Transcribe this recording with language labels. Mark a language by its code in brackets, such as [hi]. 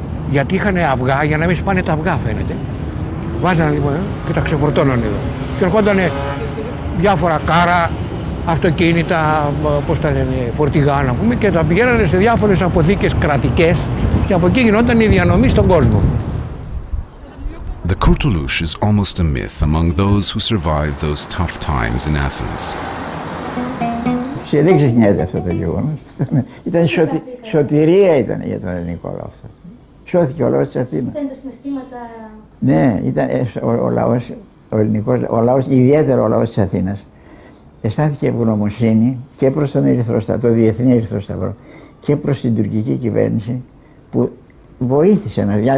[el] Γιατί είχαν αυγά για να μην σπάνε τα αυγά, φαίνεται. Βάζανε λοιπόν και τα ξεφορτώνανε εδώ. Και ερχόντανε διάφορα κάρα, αυτοκίνητα, πώς τα λένε, φορτηγά να πούμε, και τα πηγαίνανε σε διάφορες αποθήκες κρατικές και από εκεί γινόταν η διανομή στον κόσμο. [en] The Kurtulus is almost a myth among those who survived those tough times in Athens. [el] Και δεν ξεχνιέται αυτό το γεγονός. Ήταν σωτηρία ήταν για τον ελληνικό λαό αυτό. Σώθηκε ο λαός της Αθήνας. Ήταν τα συναισθήματα... Ναι, ήταν ο λαός, ο ελληνικός, ο λαός, ιδιαίτερα ο λαός της Αθήνας. Αισθάνθηκε ευγνωμοσύνη και προς τον Ερυθρό Σταυρό, το Διεθνή Ερυθρό Σταυρό, και προς την τουρκική κυβέρνηση που βοήθησε.